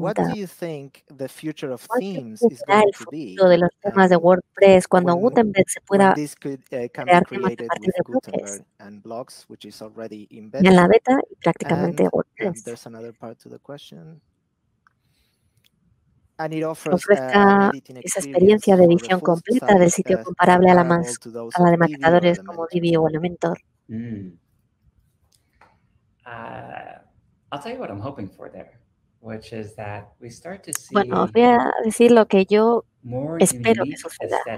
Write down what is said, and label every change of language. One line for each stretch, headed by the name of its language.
English: What do you think the future of themes is going to be?
Spanish: ¿Cuál será el futuro de los temas de WordPress cuando Gutenberg se pueda crear temas a partir de WordPress?
English: And blogs, which is already embedded.
Spanish: En la beta y prácticamente WordPress.
English: There's another part to the question. And it offers
Spanish: esa experiencia de edición completa del sitio comparable a la de maquetadores como Divi o Elementor.
English: I'll tell you what I'm hoping for there, which is that we start to see.
Spanish: Bueno, os voy a decir lo que yo espero que suceda.